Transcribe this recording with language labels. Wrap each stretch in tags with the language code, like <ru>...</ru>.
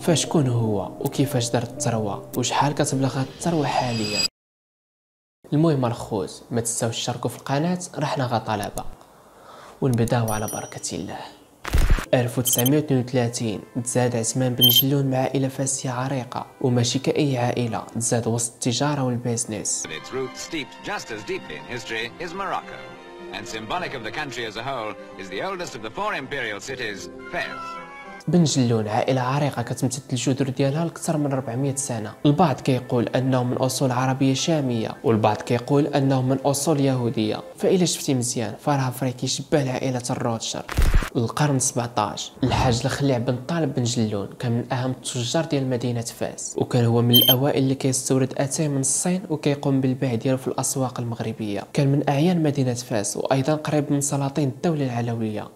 <ar>فشكون هو وكيفاش دار الثروه وشحال كتبلغ الثروه حاليا؟ المهم الخوت، ما تنساوش تشاركوا في القناه، رحنا غطلبه ونبداو على بركه الله. 1932 تزاد عثمان بن جلول مع عائلة فاسية عريقة، وماشي كأي عائلة، تزاد وسط التجارة والبيزنس.</ar> <en>Its roots steeped just as deeply in history is Morocco, and symbolic of the country as a whole is the oldest of the four imperial cities, Fez.</en> <ar>بن جلول عائلة عريقة كتمتد الجذور ديالها لأكثر من 400 سنة، البعض كيقول أنهم من أصول عربية شامية، والبعض كيقول أنهم من أصول يهودية، فإلا شفتي مزيان فراها فريكي شبه لعائلة الروتشر. القرن 17، الحاج الخليع بن طالب بن جلول كان من أهم التجار ديال مدينة فاس، وكان هو من الأوائل اللي كيستورد أتاي من الصين وكيقوم بالبيع ديالو في الأسواق المغربية، كان من أعيان مدينة فاس وأيضا قريب من سلاطين الدولة العلوية.</ar>